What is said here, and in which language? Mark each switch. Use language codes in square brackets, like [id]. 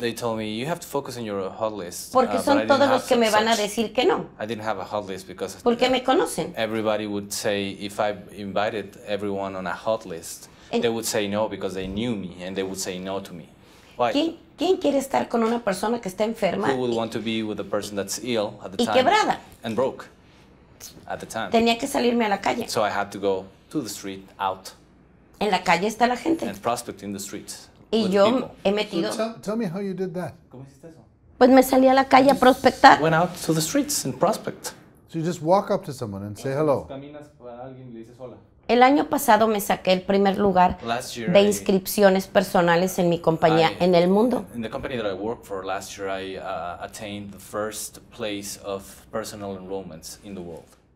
[en] They told me you have to focus on your hot list. [es] Porque son todos los que me van a decir que no. [en] I didn't have a hot list because [es] porque me conocen. [en] Everybody would say if I invited everyone on a hot list, they would say no because they knew me and they would say no to me. Why? [es] ¿Quién quiere estar con una persona que está enferma? [en] Who would want to be with a person that's ill at the [es] time? Y quebrada. [en] And broke at the time. [es] Tenía que salirme a la calle. [en] So I had to go to the street out. [es] En la calle está la gente. [en] And prospect in the street. [es] Y yo he metido. [en] So tell me how you did that. [es] Pues me salí a la calle a prospectar. [en] Went out to the streets and prospect. So you just walk up to someone and say hello. [es] Caminas para alguien y le dices hola. El año pasado me saqué el primer lugar de inscripciones personales en mi compañía en el mundo. [en] In the company that I work for last year, I attained the first place of personal enrollments in the world.